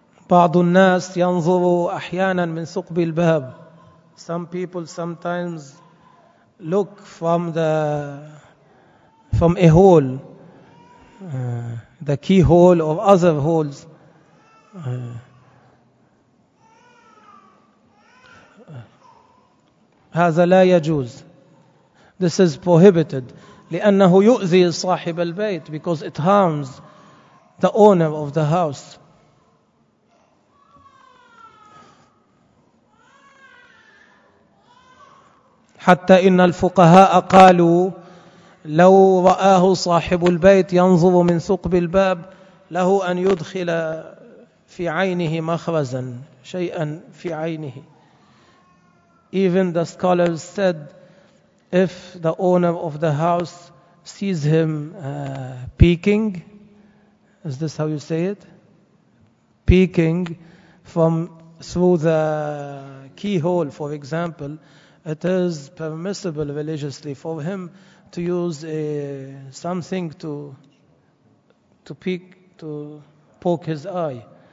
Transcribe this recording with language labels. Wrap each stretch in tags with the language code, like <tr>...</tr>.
<ar>بعض الناس ينظر أحيانا من ثقب الباب.</ar> <en>Some people sometimes look from a hole, the keyhole or other holes.</en> <ar>هذا لا يجوز.</ar> <en>This is prohibited.</en> <ar>لأنه يؤذي صاحب البيت,</ar> <en>because it harms the owner of the house.</en> <ar>حتى إن الفقهاء قالوا لو رآه صاحب البيت ينظر من ثقب الباب له أن يدخل في عينه مخرزا, شيئا في عينه.</ar> <en>Even the scholars said, if the owner of the house sees him peeking, is this how you say it? Peeking from through the keyhole, for example, it is permissible religiously for him to use something to peek, to poke his eye.</en>